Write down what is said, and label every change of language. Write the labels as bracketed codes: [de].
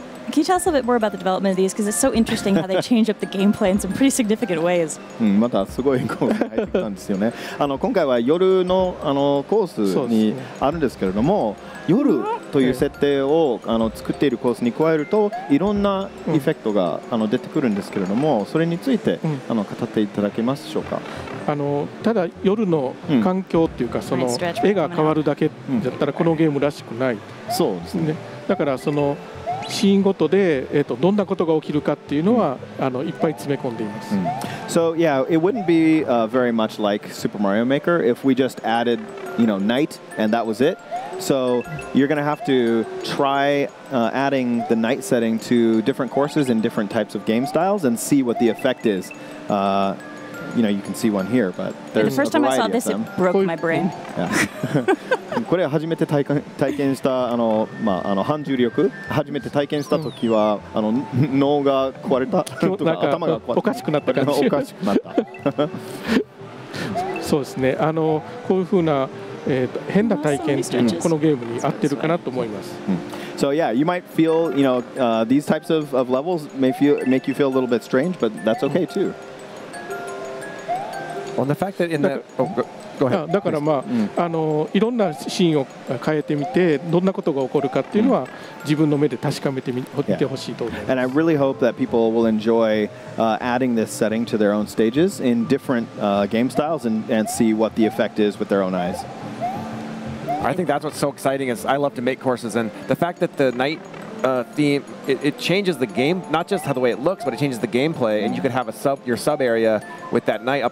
[en] Can you tell us a bit more about the development of these? Because it's so interesting how they change up the gameplay in some pretty significant ways. [ja] またすごいコースに入ってきたんですよね。あの今回は夜のあのコースにあるんですけれども、夜という設定をあの作っているコースに加えると、いろんなエフェクトがあの出てくるんですけれども、それについてあの語っていただけますでしょうか。あのただ夜の環境っていうか、うん、その絵が変わるだけだったらこのゲームらしくない、うん、そうですね、だからそのシーンごとで、どんなことが起きるかっていうのは、いっぱい詰め込んでいます。 [en] So, yeah, it wouldn't be, very much like Super Mario Maker if we just added, you know, night and that was it. So, you're going to have to try, adding the night setting to different courses in different types of game styles and see what the effect is. You know, you can see one here, but there's a variety of them. The first time I saw this, it broke my brain. Yeah. [ja] これ初めて体験したまあ、反重力初めて体験した時は、脳が壊れたとか頭が壊れたおかしくなった感じおかしくなったそうですねこういうふうな、変な体験っていうのこのゲームに合ってるかなと思います、うん、 [en] So yeah, you might feel, you know, these types of levels may feel, make you feel a little bit strange, but that's okay too、うん、On the fact that in that [ja] だからまあ、いろんなシーンを変えてみてどんなことが起こるかっていうのは自分の目で確かめてみてほしいと思います。 [en] And I really hope that people will enjoy, adding this setting to their own stages in different, game styles and see what the effect is with their own eyes. I think that's what's so exciting is I love to make courses and the fact that the night, theme, it changes the game, not just how the way it looks, but it changes the gameplay, and you could have your sub area with that knight.